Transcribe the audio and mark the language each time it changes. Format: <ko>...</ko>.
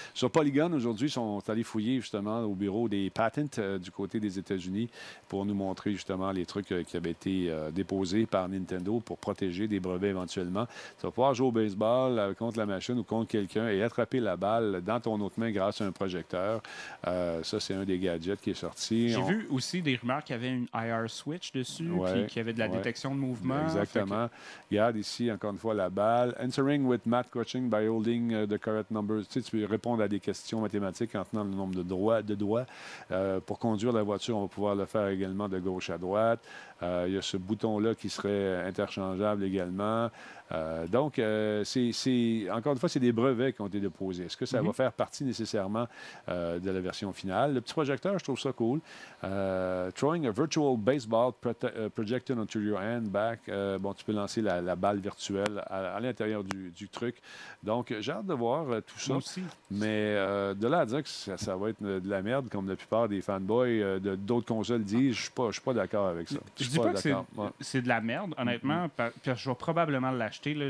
<fr>Sur Polygon, aujourd'hui, ils sont allés fouiller justement au bureau des patents du côté des États-Unis pour nous montrer justement les trucs qui avaient été déposés par Nintendo pour protéger des brevets éventuellement. Tu vas pouvoir jouer au baseball contre la machine ou contre quelqu'un et attraper la balle dans ton autre main grâce à un projecteur. Ça, c'est un des gadgets qui est sorti. J'ai vu aussi des rumeurs qu'il y avait une IR switch dessus, puis qu'il y avait de la détection de mouvement. Exactement. Regarde ici, encore une fois, la balle.</fr> <en>Answering with math question by holding the correct numbers.</en> <fr>Tu sais, tu peux répondre à des questions mathématiques en tenant le nombre de doigts. Pour conduire la voiture, on va pouvoir le faire également de gauche à droite. Il y a ce bouton-là qui serait interchangeable également. Donc, c'est encore une fois, c'est des brevets qui ont été déposés. Est-ce que ça va faire partie nécessairement de la version finale? Le petit projecteur, je trouve ça cool.</fr> <en>Throwing a virtual baseball projected onto your hand back.</en> <fr>Bon, tu peux lancer la balle virtuelle à l'intérieur du truc. Donc, j'ai hâte de voir tout ça. Moi aussi. Mais de là à dire que ça va être de la merde, comme la plupart des fanboys d'autres consoles disent, je ne suis pas d'accord avec ça. Je dis pas que c'est, c'est de la merde, honnêtement. Mm-hmm. Puis je vais probablement l'acheter. Là.</fr>